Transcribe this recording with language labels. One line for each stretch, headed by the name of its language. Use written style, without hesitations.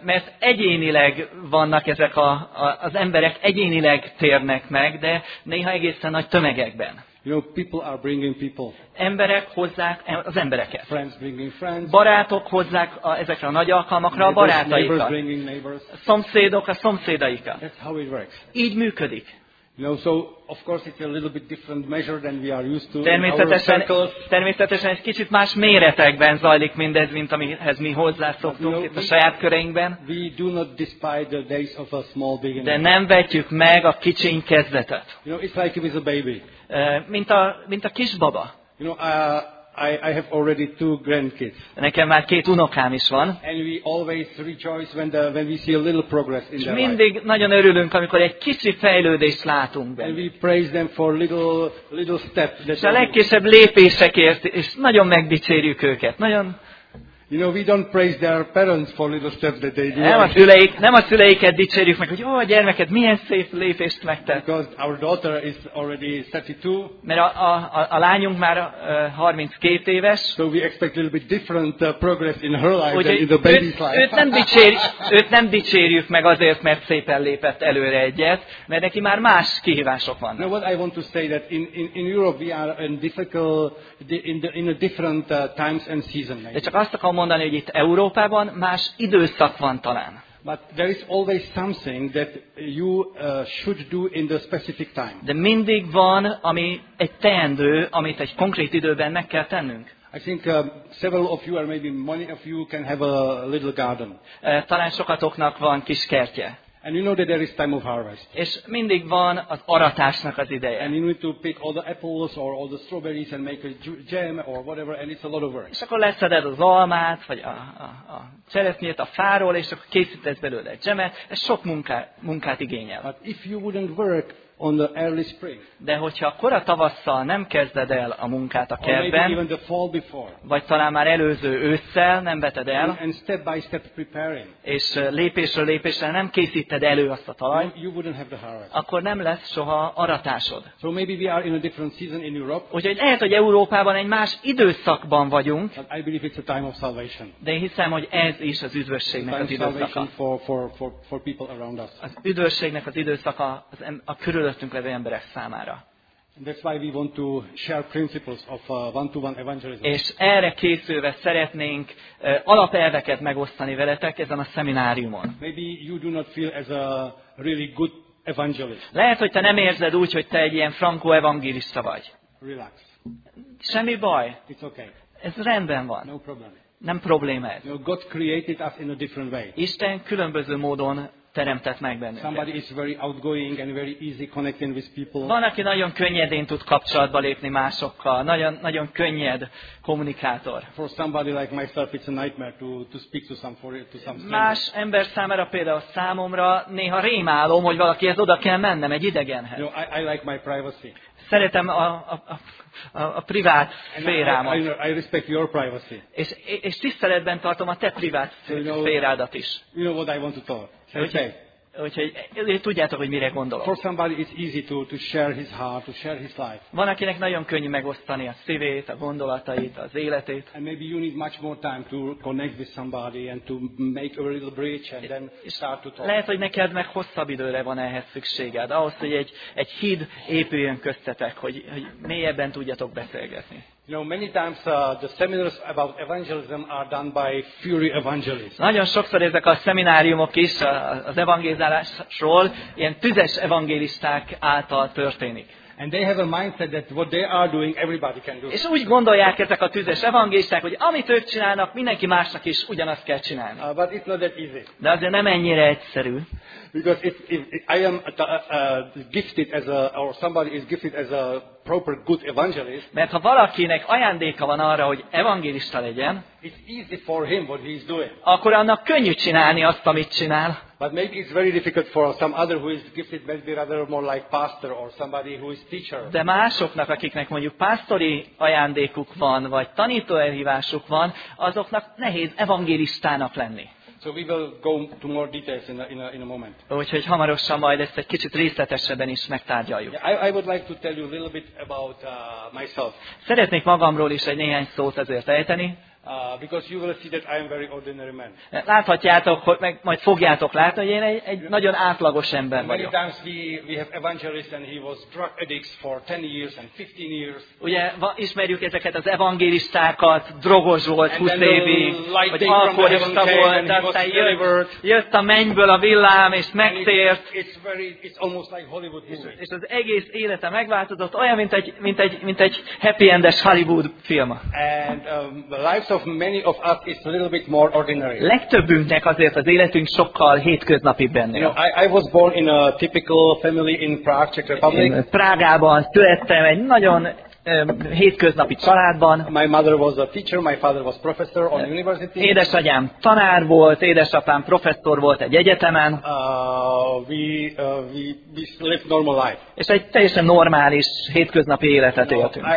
Hungarian: Mert egyénileg vannak ezek az emberek egyénileg térnek meg, de néha egészen nagy tömegekben.
English: You know, people are bringing people.
Hungarian: Emberek hozzák az embereket.
English: Friends bringing friends.
Hungarian: Barátok hozzák ezekre a nagy alkalmakra
English: neighbors,
Hungarian: a barátaikat.
English: Neighbors bringing neighbors.
Hungarian: Szomszédok a szomszédaikat.
English: That's how it works.
Hungarian: Így működik.
English: You know, so of course it's a little bit different measure than we are used to.
Hungarian: Természetesen egy kicsit más méretekben zajlik mindez, mint amihez mi hozzászoktunk itt a saját köreinkben.
English: We do not despise the days of a small beginning.
Hungarian: De nem vetjük meg a kicsiny kezdetet.
English: You know, it's like with a baby.
Hungarian: Mint a kisbaba.
English: You know, I have already two grandkids.
Hungarian: Nekem már két unokám is van.
English: And we always rejoice when we see a little progress in their life.
Hungarian: Mindig nagyon örülünk, amikor egy kicsi fejlődést látunk benne.
English: And we praise them for little steps.
Hungarian: És a legkisebb lépésekért, és nagyon megdicsérjük őket. Nagyon.
English: You know, we don't praise their parents for little steps that they do.
Hungarian: Nem a szüleiket dicsérjük meg, hogy a gyermeket milyen szép lépést megtett.
English: Because our daughter is already 32.
Hungarian: Mert a lányunk már 32 éves.
English: So we expect a little bit different progress in her life than in the baby's life.
Hungarian: Őt nem dicsérjük meg azért, mert szépen lépett előre egyet, mert neki már más kihívások vannak.
English: Now what I want to say that in Europe we are in difficult in a different times and season.
Hungarian: De csak azt akarom mondani, hogy itt Európában más időszak van talán.
English: But there is always something that you should do in the specific time.
Hungarian: De mindig van, ami egy teendő, amit egy konkrét időben meg kell tennünk.
English: I think several of you or maybe many of you can have a little garden.
Hungarian: Talán sokatoknak van kis kertje.
English: And you know that there is time of harvest.
Hungarian: És mindig van az aratásnak az ideje.
English: And you need to pick all the apples or all the strawberries and make a jam or whatever, and it's a lot of work.
Hungarian: És akkor leszeded az almát, vagy a cseresznyét a fáról, és akkor készítesz belőle dzsemet. Ez sok munkát igényel.
English: But if you wouldn't work on the early spring.
Hungarian: De hogyha a kora tavasszal nem kezded el a munkát a kertben,
English: or maybe even the fall before,
Hungarian: vagy talán már előző ősszel nem veted el,
English: and step by step preparing,
Hungarian: és lépésről lépésre nem készíted elő azt a talajt,
English: you wouldn't have the harvest.
Hungarian: Akkor nem lesz soha aratásod.
English: So maybe we are in a different season in Europe.
Hungarian: Úgyhogy lehet, hogy Európában egy más időszakban vagyunk,
English: but I believe it's a time of salvation.
Hungarian: De én hiszem, hogy ez is az üdvösségnek az időszaka.
English: For people around us.
Hungarian: Az üdvösségnek az időszaka a körülöttünk levő emberek számára.
English: That's why we want to share principles of one-to-one evangelism.
Hungarian: És erre készülve szeretnénk alapelveket megosztani veletek ezen a szemináriumon.
English: Maybe you do not feel as a really good evangelist.
Hungarian: Lehet, hogy te nem érzed úgy, hogy te egy ilyen frankó evangélista vagy.
English: Relax.
Hungarian: Semmi baj.
English: It's okay.
Hungarian: Ez rendben van.
English: No problem.
Hungarian: Nem probléma ez.
English: No, God created us in a different way.
Hungarian: Isten különböző módon teremtett meg bennünket.
English: Somebody is very outgoing and very easy connecting with people.
Hungarian: Van, aki nagyon könnyedén tud kapcsolatba lépni másokkal, nagyon nagyon könnyed kommunikátor.
English: For somebody like myself it's a nightmare to speak to some for to some stranger.
Hungarian: Más ember számára, például számomra néha rémálom, hogy valakihez oda kell mennem egy idegenhez.
English: No, I like my privacy.
Hungarian: Szeretem a privát szférámat.
English: I respect your privacy.
Hungarian: És tiszteletben tartom a te privát szférádat is.
English: You know what I want to talk.
Hungarian: Úgyhogy tudjátok, hogy mire gondolok.
English: For somebody it's easy to share his heart, to share his life.
Hungarian: Van, akinek nagyon könnyű megosztani a szívét, a gondolatait, az életét.
English: And maybe you need much more time to connect with somebody and to make a little bridge and then start to talk.
Hungarian: Lehet, hogy neked meg hosszabb időre van ehhez szükséged, ahhoz, hogy egy híd épüljön köztetek, hogy mélyebben tudjatok beszélgetni.
English: You know, many times the seminars about evangelism are done by fury evangelists.
Hungarian: Nagyon sokszor ezek a szemináriumok is az evangelizálásról ilyen tüzes evangelisták által történik.
English: And they have a mindset that what they are doing everybody can do.
Hungarian: És úgy gondolják ezek a tüzes evangelisták, hogy amit ők csinálnak, mindenki másnak is ugyanazt kell csinálni.
English: But it's not that easy.
Hungarian: De azért nem ennyire egyszerű.
English: Because if I am gifted as a or somebody is gifted as a proper good evangelist.
Hungarian: Mert ha valakinek ajándéka van arra, hogy evangélista legyen,
English: it's easy for him what he's doing.
Hungarian: Akkor annak könnyű csinálni azt, amit csinál.
English: But maybe it's very difficult for some other who is gifted, maybe rather more like pastor or somebody who is teacher.
Hungarian: De másoknak, akiknek mondjuk pásztori ajándékuk van, vagy tanító elhívásuk van, azoknak nehéz evangélistának lenni.
English: So we will go to more details in a moment.
Hungarian: Úgyhogy hamarosan majd ezt egy kicsit részletesebben is megtárgyaljuk.
English: Yeah, I would like to tell you a little bit about myself.
Hungarian: Szeretnék magamról is egy néhány szót azért ejteni.
English: Because you will see that I am very ordinary man.
Hungarian: Láthatjátok, hogy meg majd fogjátok látni, hogy én egy nagyon átlagos ember vagyok.
English: Many times we have evangelists and he was drug addicts for 10 years and 15 years.
Hungarian: Ugye ismerjük ezeket az evangélistákat, drogos volt 20 évig, vagy alkoholista volt, aztán jött a mennyből a villám és megtért.
English: It's almost like Hollywood movie.
Hungarian: És az egész élete megváltozott, olyan mint egy happy endes Hollywood film.
English: And lives of many of us is a little bit more ordinary.
Hungarian: Legtöbbünknek azért az életünk sokkal hétköznapi benne.
English: You know, I was born in a typical family in Prague, Czech Republic.
Hungarian: Prágában születtem egy nagyon hétköznapi családban.
English: My mother was a teacher, my father was professor on university.
Hungarian: Édesanyám tanár volt, édesapám professzor volt egy egyetemen.
English: We lived normal life.
Hungarian: És egy teljesen normális hétköznapi életet éltünk.